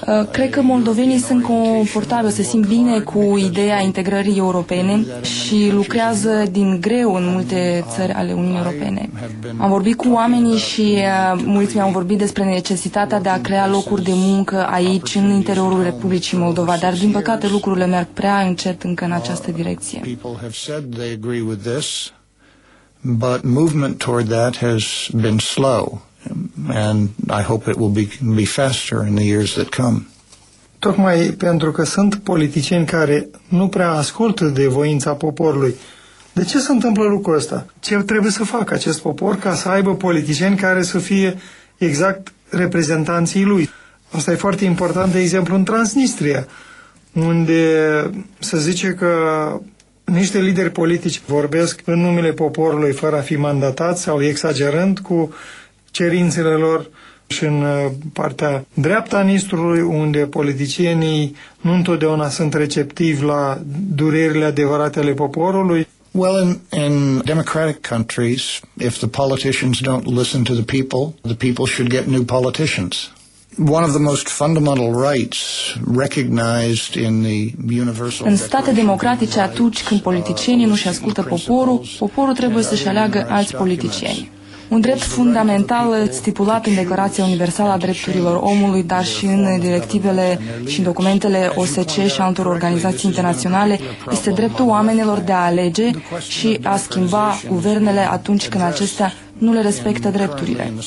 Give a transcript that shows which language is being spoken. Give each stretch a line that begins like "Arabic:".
Romanian: Cred că moldovenii sunt confortabili, se simt bine cu ideea integrării europene și lucrează din greu în multe țări ale Uniunii Europene. Am vorbit cu oamenii și mulți mi-au vorbit despre necesitatea de a crea locuri de muncă aici, în interiorul Republicii Moldovenii. Moldova, dar din păcate lucrurile merg prea încet încă în această direcție.
English: People have said they agree with this, but movement toward that has been slow, and I hope it will be faster in the years that come.
Romanian: Tocmai pentru că sunt politicieni care nu prea ascultă de voința poporului. De ce se întâmplă lucrul ăsta? Ce trebuie să facă acest popor ca să aibă politicieni care să fie exact reprezentanții lui? Asta e foarte important, de exemplu, în Transnistria, unde se zice că niște lideri politici vorbesc în numele poporului fără a fi mandatați sau exagerând cu cerințele lor. Și în partea dreapta Nistrului, unde politicienii nu întotdeauna sunt receptivi la durerile adevărate ale poporului.
English: Well, in democratic countries, if the politicians don't listen to the people should get new politicians. One of the most fundamental rights recognized in the universal.
Romanian: În state democratice, atunci când politicienii nu-și ascultă poporul, poporul trebuie să-și aleagă alți politicieni. Un drept fundamental stipulat în Declarația Universală a Drepturilor Omului, dar și în directivele și în documentele OSCE și altor organizații internaționale, este dreptul oamenilor de a alege și a schimba guvernele atunci când acestea nu le respectă drepturile.